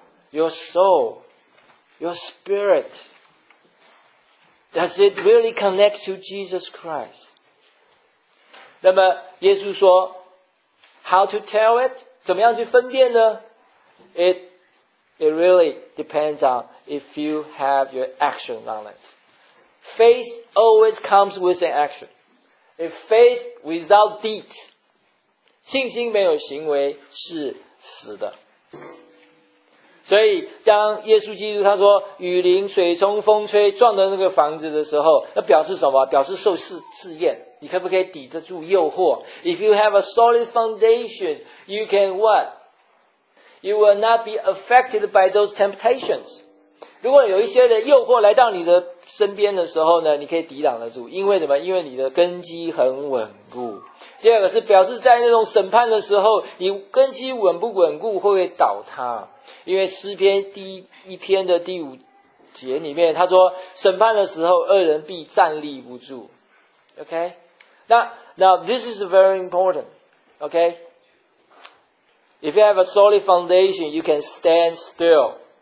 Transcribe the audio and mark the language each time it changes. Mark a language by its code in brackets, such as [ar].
[en] Your soul, your spirit, does it really connect to Jesus Christ? [zh] 那么耶稣说 [en] How to tell it? [zh] 怎么样去分辨呢？ [en] It really depends on if you have your action on it. Faith always comes with an actionIf faith without deeds, [zh] 信心没有行为是死的。所以当耶稣基督他说雨淋水冲风吹撞到那个房子的时候，那表示什么？表示受试验，你可不可以抵得住诱惑？ [en] If you have a solid foundation, you can what? You will not be affected by those temptations. [zh] 如果有一些的诱惑来到你的身边的时候呢，你可以抵挡得住，因为什么？因为你的根基很稳固。第二个是表示在那种审判的时候，你根基稳不稳固，会不会倒塌？因为诗篇第一篇的第五节里面，他说审判的时候，恶人必站立不住。 [en] OK， 那 Now this is very important. OK， if you have a solid foundation, you can stand still.